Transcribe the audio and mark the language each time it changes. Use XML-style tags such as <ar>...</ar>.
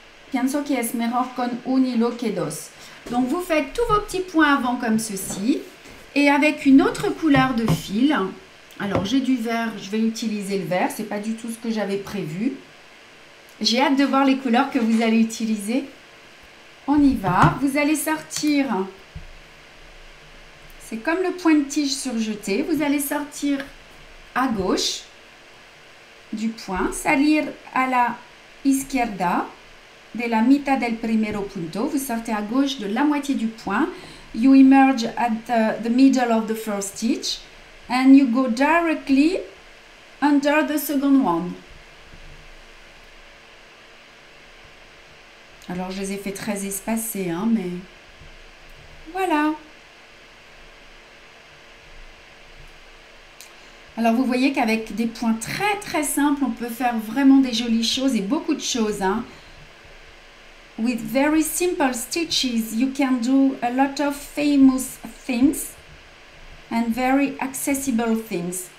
<es>Pienso que es mejor con un hilo que dos.</es> <fr>Donc vous faites tous vos petits points avant comme ceci. Et avec une autre couleur de fil. Alors j'ai du vert, je vais utiliser le vert. C'est pas du tout ce que j'avais prévu. J'ai hâte de voir les couleurs que vous allez utiliser. On y va. Vous allez sortir. C'est comme le point de tige surjeté. Vous allez sortir à gauche du point.</fr> <es>Salir a la izquierda de la mitad del primero punto.</es> <fr>Vous sortez à gauche de la moitié du point.</fr> <en>You emerge at the middle of the first stitch. And you go directly under the second one.</en> <fr>Alors, je les ai fait très espacés, hein, mais voilà. Alors, vous voyez qu'avec des points très, très simples, on peut faire vraiment des jolies choses et beaucoup de choses, hein.</fr> <en>With very simple stitches, you can do a lot of famous things and very accessible things.</en>